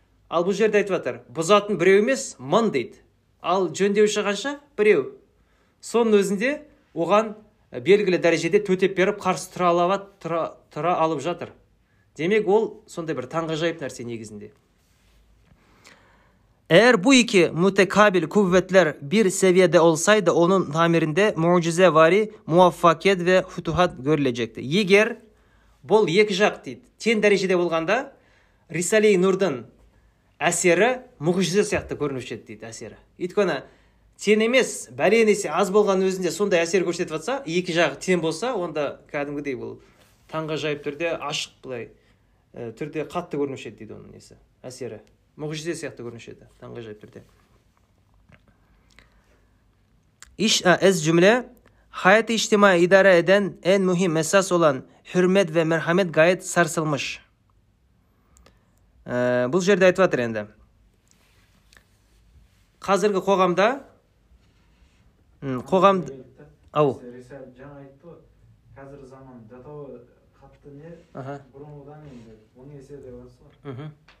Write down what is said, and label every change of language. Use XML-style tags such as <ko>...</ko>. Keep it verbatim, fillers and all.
<kk>Ал бұл жерде айтып жатыр, бұзатын біреу емес, мың дейді. Ал жөндеуші қанша? Біреу. Соның өзінде оған белгілі дәрежеде төтеп беріп қарсы тұра алып, тұра, тұра алып жатыр. Демек ол сондай бір таңғажайып нәрсе негізінде.</kk> <tr>Eğer bu iki mütekabil kuvvetler bir seviyede olsaydı onun tamirinde mucizevari muvaffakiyet ve fütuhat görülecekti.</tr> <kk>Yeger Бұл екі жақ дейді. Тең дәрежеде болғанда Рисалей Нурдың әсері мұғжиза сияқты көрінуші еді дейді әсері. Өйткені тең емес, бәлен есе аз болған өзінде сондай әсер көрсетіп жатса, екі жағы тең болса, онда кәдімгідей бұл таңғажайып түрде ашық былай түрде қатты көрінуші еді дейді оның несі әсері. Mucize сияқты көрінеді, таңғажайып түрде.</kk> <tr>İş ez cümle hayat-ı içtimai idare eden en mühim esas olan hürmet ve merhamet gayet sarsılmış.</tr> <kk>Ee, бұл жерде айтып жатыр енді. Қазіргі қоғамда қоғам ау. Жаңа айтты ғой. Қазіргі заман жатауы қатты не? Бұрынғыдан енді он есе деп айтсақ.</kk>